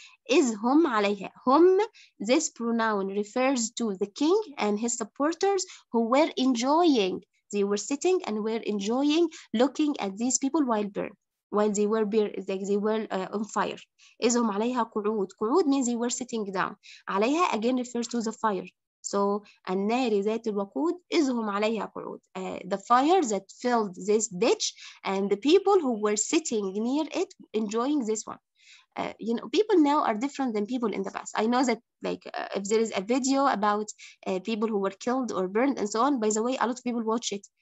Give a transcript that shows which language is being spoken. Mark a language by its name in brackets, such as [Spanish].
[Arabic] Is hum alayha. [English] Hum, this pronoun refers to the king and his supporters who were enjoying. They were sitting and were enjoying looking at these people while they were on fire. [Arabic] Is hum alayha qu'ud. [English] Qu'ud means they were sitting down. Alayha again refers to the fire. [Arabic] So, النار ذات الوقود إذهم عليها قعود. [English] The fire that filled this ditch and the people who were sitting near it enjoying this one. You know, people now are different than people in the past. I know that, like, if there is a video about people who were killed or burned and so on, by the way, a lot of people watch it.